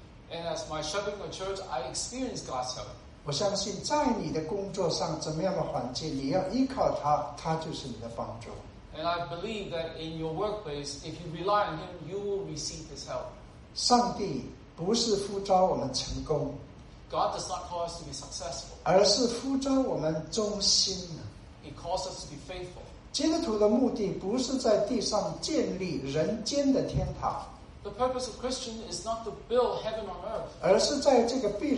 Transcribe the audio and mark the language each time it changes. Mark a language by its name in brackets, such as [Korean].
[English] And as my shepherd in the church, I experience God's help. [Chinese] 我相信在你的工作上怎么样的环境, 你要依靠他, 他就是你的帮助。 [English] And I believe that in your workplace, if you rely on him, you will receive his help. [Chinese] 上帝不是呼召我们成功, [English] God does not call us to be successful. [Chinese] 而是呼召我们忠心, [English] he calls us to be faithful. [Chinese] 基督徒的目的不是在地上建立人间的天堂, [English] the purpose of Christian is not to build heaven on earth.